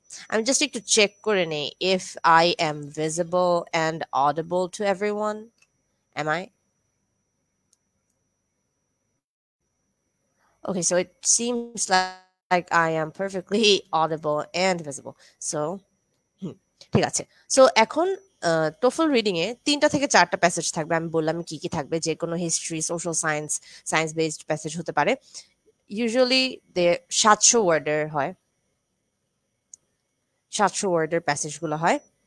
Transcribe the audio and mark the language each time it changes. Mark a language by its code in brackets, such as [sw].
[en] I'm just going to check korene if I am visible and audible to everyone. Am I? Okay, so it seems like I am perfectly audible and visible. [bn] So, ঠিক আছে. So এখন TOEFL reading এ তিনটা থেকে চারটা passage থাকবে. আমি বললাম কি কি থাকবে, যে কোনো history, social science, science based passage হতে পারে. [en] Usually the 700 worder হয়. 700 worder passage গুলো হয়.